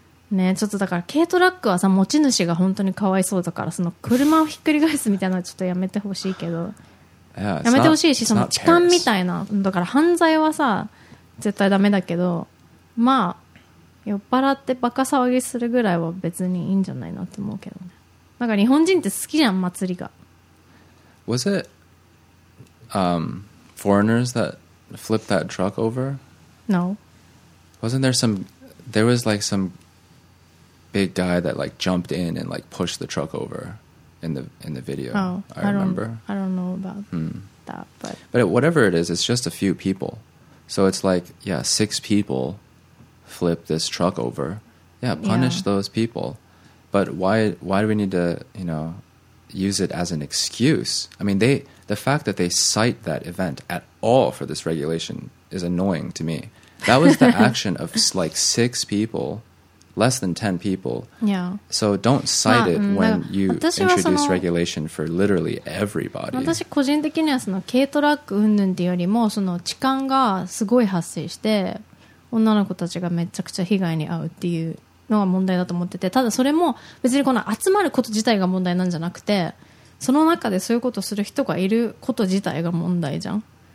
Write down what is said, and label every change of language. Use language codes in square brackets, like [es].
[ja] ねえ、ちょっとだから軽トラックはさ持ち主が本当にかわいそうだから、その車をひっくり返すみたいなのはちょっとやめてほしいけど、やめてほしいし、その痴漢みたいな、だから犯罪はさ絶対ダメだけど、まあ酔っ払ってバカ騒ぎするぐらいは別にいいんじゃないのって思うけどね。なんか日本人って好きじゃん祭りが。 [en] Was it foreigners that flipped that truck over? No. Wasn't there some? There was like some big guy that like jumped in and like pushed the truck over in the video. Oh, I remember. I don't know about that, but whatever it is, it's just a few people. So it's like yeah, six people. Flip this truck over, yeah. Punish those people, but why do we need to, you know, use it as an excuse? I mean, the fact that they cite that event at all for this regulation is annoying to me. That was the action of like six people, less than 10 people. Yeah. So don't cite it when you introduce regulation for literally everybody. [ja] 私個人的にはその軽トラック云々っていうよりもその痴漢がすごい発生して。女の子たちがめちゃくちゃ被害に遭うっていうのが問題だと思ってて、ただそれも別にこの集まること自体が問題なんじゃなくて、その中でそういうことする人がいること自体が問題じゃん。